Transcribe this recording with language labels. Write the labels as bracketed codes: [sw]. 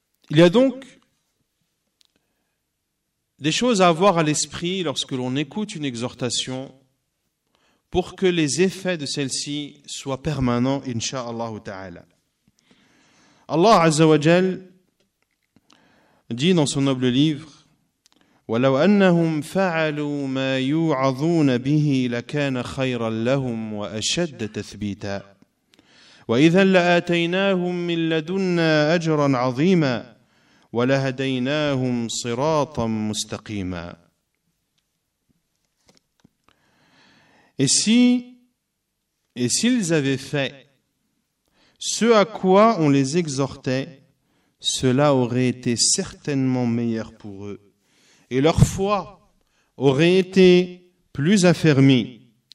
[fr] Il y a donc des choses à avoir à l'esprit lorsque l'on écoute une exhortation pour que les effets de celle-ci soient permanents, incha'Allah ta'ala. Allah Azza wa Jal dit dans son noble livre [ar] « وَلَوْ أَنَّهُمْ فَعَلُوا مَا يُوعَظُونَ بِهِ لَكَانَ خَيْرًا لَهُمْ وَأَشَدَّ تَثْبِيتًا وَإِذًا لَآتَيْنَاهُمْ مِنْ لَدُنَّا أَجْرًا عَظِيمًا وَلَهَدَيْنَاهُمْ صِرَاطًا مُسْتَقِيمًا. [fr] Et si, et s'ils avaient fait ce à quoi on les exhortait, cela aurait été certainement meilleur pour eux, et leur foi aurait été plus affermie.